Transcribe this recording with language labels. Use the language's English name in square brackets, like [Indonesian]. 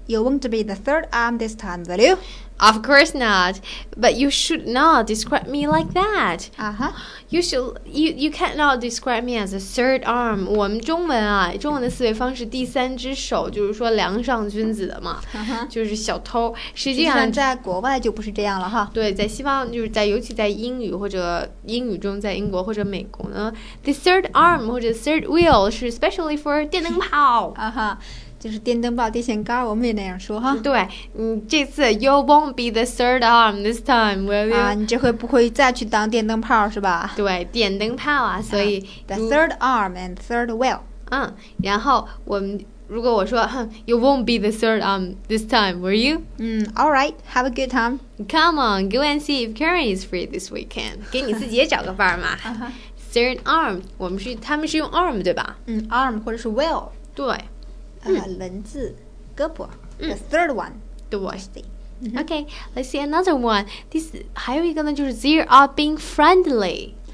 [English] You won't be the third arm this time, will you? Of course not, but you should not describe me like that. You cannot describe me as a third arm. [Chinese] 我们中文的思维方式，第三只手就是说梁上君子的嘛，就是小偷。实际上在国外就不是这样了哈。对，在西方就是在尤其在英语或者英语中，在英国或者美国呢 ，the third arm 或者 third wheel 是 specially for 电灯泡。就是电灯泡、电线杆，我们也那样说哈。对，这次 [English] you won't be the third arm this time, will you？ [Chinese] 你这回不会再去当电灯泡是吧？对，电灯泡啊，所以 [English] the third arm and third wheel。 [Chinese] 然后我们如果我说 [English] you won't be the third arm this time, will you？ All right, have a good time. Come on, go and see if Karen is free this weekend. [Chinese] 给你自己也找个伴儿嘛。 third arm， 他们是用 arm 对吧？ arm 或者是 wheel。对。轮子，胳膊。 [English] The third one. 对。Okay, let's see another one. This [Chinese] 还有一个呢，就是 [English] they are being friendly.